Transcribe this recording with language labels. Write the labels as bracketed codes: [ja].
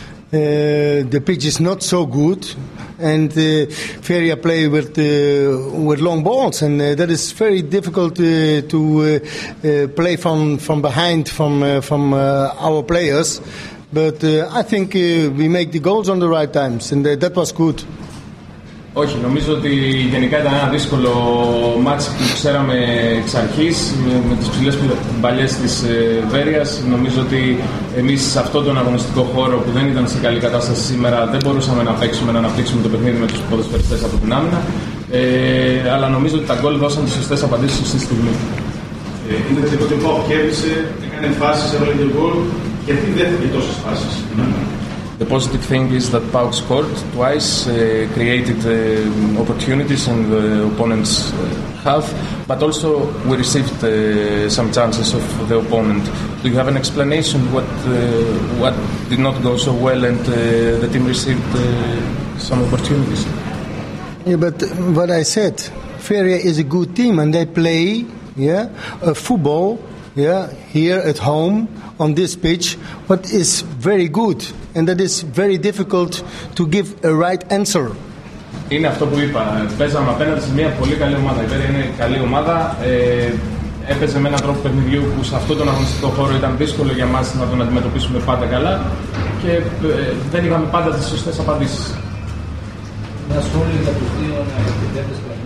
[en] The pitch is not so good, and Veria play with long balls, and that is very difficult to play from behind from our players. But I think we make the goals on the right times, and that was good. [el] Όχι, νομίζω ότι γενικά ήταν ένα δύσκολο μάτς που ξέραμε εξ αρχής με τις ψηλές μπαλιές της Βέριας. Νομίζω ότι εμείς σε αυτόν τον αγωνιστικό χώρο που δεν ήταν σε καλή κατάσταση σήμερα δεν μπορούσαμε να παίξουμε, να αναπτύξουμε το παιχνίδι με τους ποδοσφαιριστές από την άμυνα. Αλλά νομίζω ότι τα γκολ δώσαν τις σωστές απαντήσεις στη στιγμή. Είναι το τύπο που κέρδισε, έκανε φάσεις, έβαλε και γκολ. Γιατί δέχτηκε τόσες φάσεις? [en] The positive thing is that PAOK scored twice, created opportunities in the opponent's half, but also we received some chances of the opponent. Do you have an explanation what did not go so well and the team received some opportunities? Yeah, but what I said, Veria is a good team and they play football here at home on this pitch, but is very good. And that is very difficult to give a right answer. [el] Είναι αυτό που είπα. Παίζαμε απέναντι σε μια πολύ καλή ομάδα. Η Veria είναι καλή ομάδα. Έπαιζε με έναν τρόπο παιχνιδιού που σε αυτόν τον αγωνιστικό χώρο ήταν δύσκολο για μας να τον αντιμετωπίσουμε πάντα καλά. Και δεν είχαμε πάντα τις σωστές απαντήσεις. Μια σχόλια για τους δύο επιτέλους.